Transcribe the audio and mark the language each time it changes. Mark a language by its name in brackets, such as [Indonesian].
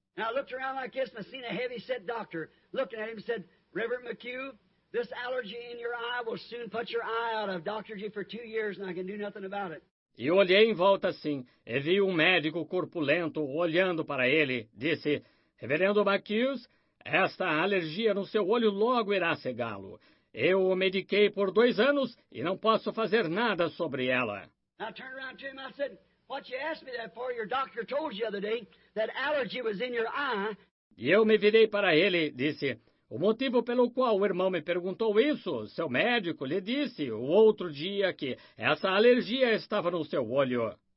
[English] Now I looked around like this and I seen a heavy-set doctor looking at him and said, Reverend McHugh, this allergy in your eye will soon put your eye out. I've doctored you for 2 years and I can do nothing about it. [Portuguese] E olhei em volta assim, e vi um médico corpulento olhando para ele. Disse, Reverendo McHugh, esta alergia no seu olho logo irá cegá-lo. Eu o mediquei por 2 anos e não posso fazer nada sobre ela. [English] I turned around to him, I said, what you asked me that for? Your doctor told you the other day that allergy was in your eye. [Portuguese] E eu me virei para ele, disse, O motivo pelo qual o irmão me perguntou isso, seu médico lhe disse o outro dia que essa alergia estava no seu olho.